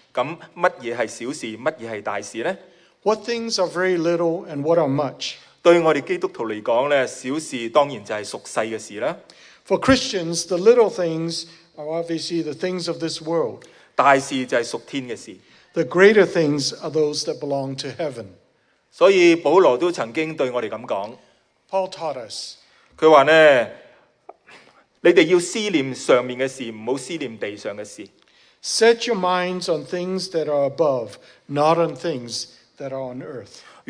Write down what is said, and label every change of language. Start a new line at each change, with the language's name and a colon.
Chinese: 那什么是小事，什么是大事呢？
English: What things are very little and what are much?
Chinese: 对于我们基督徒来说，小事当然就是属世的事啦。
English: For Christians, the little things are obviously the things of this world.
Chinese: 大事就是属天的事。
English: The greater things are those that belong to heaven.
Chinese: 所以保罗都曾经对我们这么说。
English: Paul taught us.
Chinese: 他说呢, 你们要思念上面的事，不要思念地上的事。
English: Set your minds on things that are above, not on things that are on earth.